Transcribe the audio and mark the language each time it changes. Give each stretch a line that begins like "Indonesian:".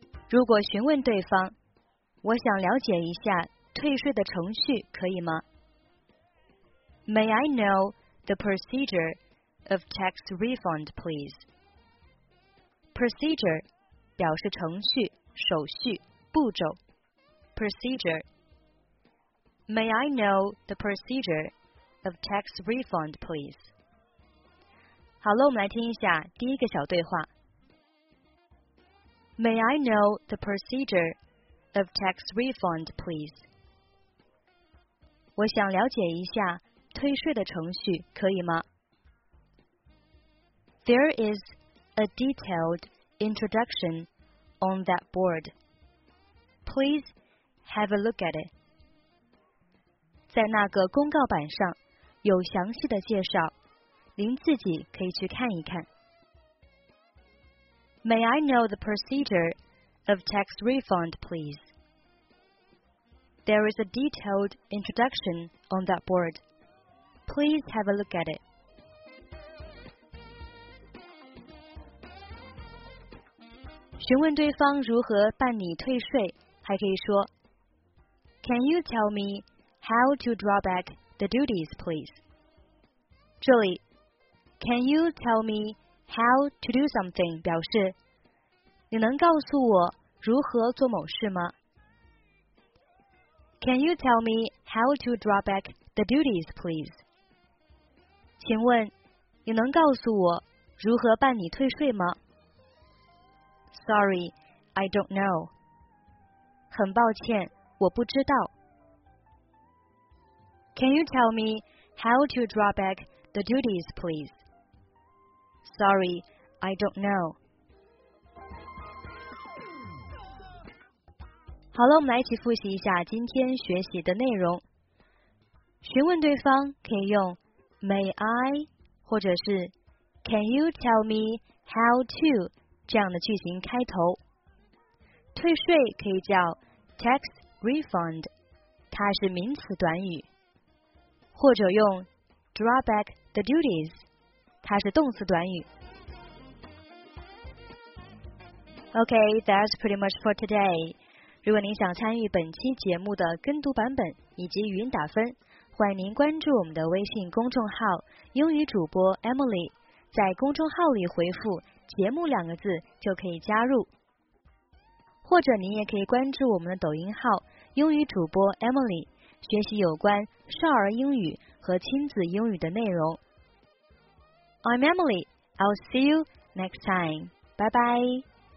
Chinese: 如果询问对方，我想了解一下退税的程序，可以吗？
English: May I know the procedure of tax refund please？
Chinese: Procedure 表示程序、手续、步骤。
English: ProcedureMay I know the procedure of tax refund, please?
Chinese: 好了，我们来听一下第一个小对话。
English: May I know the procedure of tax refund, please?
Chinese: 我想了解一下退税的程序，可以吗？
English: There is a detailed introduction on that board. Please have a look at it.
Chinese: 在那个公告板上有详细的介绍，您自己可以去看一看。
English: May I know the procedure of tax refund, please? There is a detailed introduction on that board. Please have a look at it.
Chinese: 询问对方如何办理退税，还可以说
English: Can you tell meHow to draw back the duties, please?
Chinese: 这里
English: Can you tell me how to do something?
Chinese: 表示你能告诉我如何做某事吗？
English: Can you tell me how to draw back the duties, please?
Chinese: 请问你能告诉我如何办理退税吗？
English: Sorry, I don't know.
Chinese: 很抱歉，我不知道。
English: Can you tell me how to draw back the duties, please? Sorry, I don't know.
Chinese: 好了，我们来一起复习一下今天学习的内容。询问对方可以用
English: May I
Chinese: 或者是
English: Can you tell me how to
Chinese: 这样的句型开头。退税可以叫 tax refund， 它是名词短语。或者用
English: draw back the duties，
Chinese: 它是动词短语。
English: OK, that's pretty much for today.
Chinese: 如果您想参与本期节目的跟读版本以及语音打分，欢迎您关注我们的微信公众号英语主播 Emily， 在公众号里回复节目两个字就可以加入。或者您也可以关注我们的抖音号英语主播 Emily，学习有关少儿英语和亲子英语的内容。
English: I'm Emily, I'll see you next time. Bye bye.